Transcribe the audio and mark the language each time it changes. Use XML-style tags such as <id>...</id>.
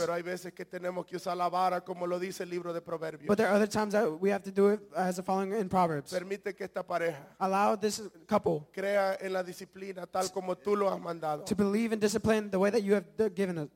<es>Pero hay veces que tenemos que usar la vara como lo dice el libro de Proverbios.</es> <en>But there are other times that we have to do it as the following in Proverbs.</en> <es>Permite que esta pareja,</es> <en>allow this couple,</en> <es>crea en la disciplina tal como tú lo has mandado.</es> <en>To believe in discipline the way that you have given it.</en>